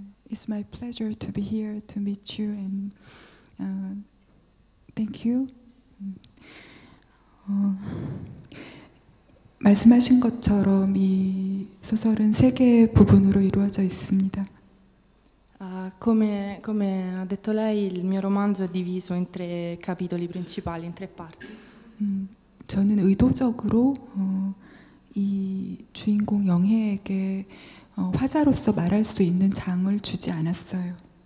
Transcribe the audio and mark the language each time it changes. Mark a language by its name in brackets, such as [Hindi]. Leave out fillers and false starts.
[English] It's my pleasure to be here to meet you and thank you. [Korean] 말씀하신 것처럼 이 소설은 세 개의 부분으로 이루어져 있습니다. [Italian] Come ha detto lei, il mio romanzo è diviso in tre capitoli principali, in tre parti. [Korean] 저는 의도적으로 이 주인공 영혜에게 화자로서 말할 수 있는 장을 주지 않았어요.